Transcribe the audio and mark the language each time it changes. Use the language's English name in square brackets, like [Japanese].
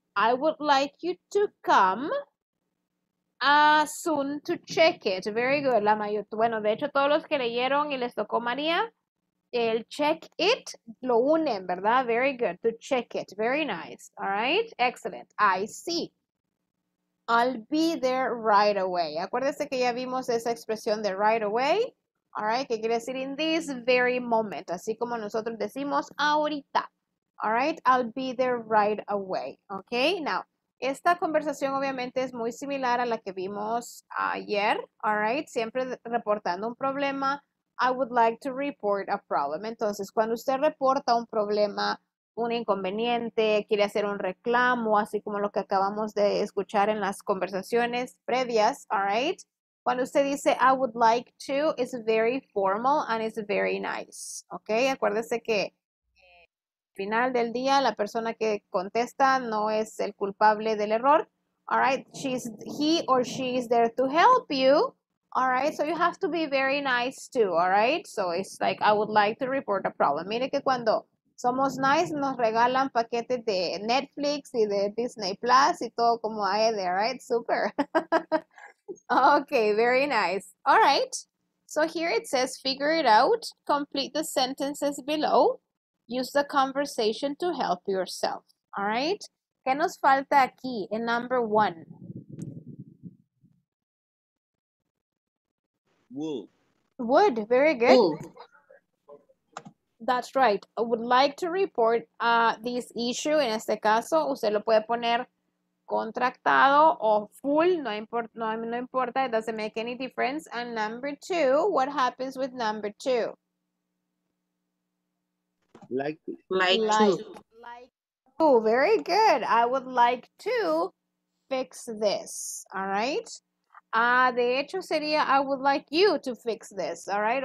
[English] I would like you to come soon to check it. Very good. [Spanish] La mayor, bueno, de hecho, todos los que leyeron y les tocó María, el [English] check it [Spanish] lo unen, ¿verdad? [English] Very good. To check it. Very nice. All right. Excellent. I see. I'll be there right away. [Spanish] Acuérdense que ya vimos esa expresión de [English] right away. [Spanish] All right. ¿Qué quiere decir? [English] In this very moment. [Spanish] Así como nosotros decimos ahorita. [English] All right, I'll be there right away. [Spanish] Okay, now, esta conversación obviamente es muy similar a la que vimos ayer. [English] All right, [Spanish] siempre reportando un problema. [English] I would like to report a problem. [Spanish] Entonces, cuando usted reporta un problema, un inconveniente, quiere hacer un reclamo, así como lo que acabamos de escuchar en las conversaciones previas. [English] All right, [Spanish] cuando usted dice [English] I would like to, it's very formal and it's very nice. [Spanish] Okay, acuérdese que final del día, la persona que contesta no es el culpable del error. [English] All right, he or she is there to help you. All right, so you have to be very nice too. All right, so it's like I would like to report a problem. [Spanish] Mire que cuando somos nice, nos regalan paquetes de Netflix y de Disney Plus y todo como hay de, right? [English] Super. Okay, very nice. All right, so here it says figure it out. Complete the sentences below. Use the conversation to help yourself. All right? [Spanish] ¿Qué nos falta aquí en [English] number one? Would. Would. Very good. Would. That's right. I would like to report this issue. [Spanish] En este caso, usted lo puede poner contractado o full. No importa. [English] It doesn't make any difference. And number two, what happens with number two? Like to. Oh, very good. I would like to fix this. All right. [Spanish] De hecho sería, [English] I would like you to fix this. All right.